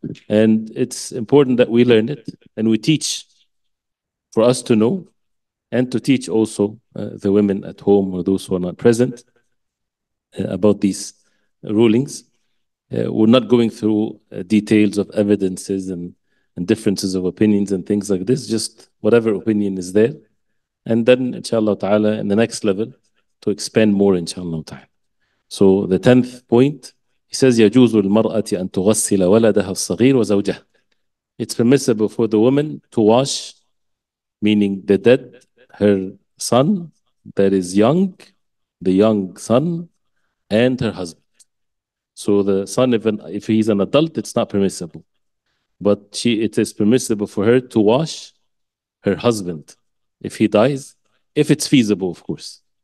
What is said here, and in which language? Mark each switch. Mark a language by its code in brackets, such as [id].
[en] And it's important that we learn it and we teach for us to know and to teach also the women at home or those who are not present about these rulings. We're not going through details of evidences and differences of opinions and things like this, just whatever opinion is there. And then inshallah ta'ala in the next level to expand more inshallah ta'ala. So the 10th point, he says, [ar] يجوز للمرأة أن تغسل ولدها الصغير وزوجها. [en] It's permissible for the woman to wash, meaning the dead, her son that is young, the young son, and her husband. So the son, if he's an adult, it's not permissible. But it is permissible for her to wash her husband if he dies, if it's feasible, of course.